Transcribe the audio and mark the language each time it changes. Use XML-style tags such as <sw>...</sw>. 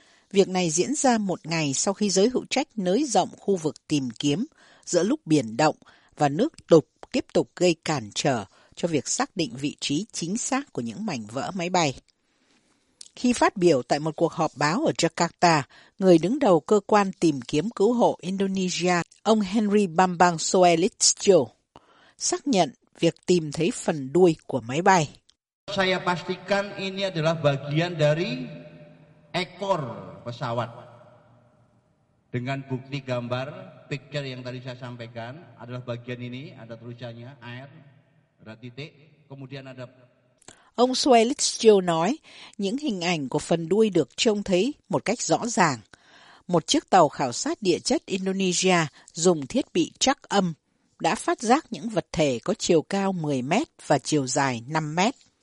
<vi>Việc này diễn ra một ngày sau khi giới hữu trách nới rộng khu vực tìm kiếm giữa lúc biển động và nước đục tiếp tục gây cản trở cho việc xác định vị trí chính xác của những mảnh vỡ máy bay. Khi phát biểu tại một cuộc họp báo ở Jakarta, người đứng đầu cơ quan tìm kiếm cứu hộ Indonesia, ông Henry Bambang Soelitjo, xác nhận việc tìm thấy phần đuôi của máy bay.</vi> <id>Saya pastikan ini adalah bagian dari ekor pesawat. Dengan bukti gambar, picture yang tadi saya sampaikan adalah bagian ini, ada tulisannya air, ada titik, kemudian ada...</id> <vi>Ông Soelitjo nói, những hình ảnh của phần đuôi được trông thấy một cách rõ ràng. Một chiếc tàu khảo sát địa chất Indonesia dùng thiết bị trắc âm đã phát giác những vật thể có chiều cao 10 mét và chiều dài 5 mét.</vi>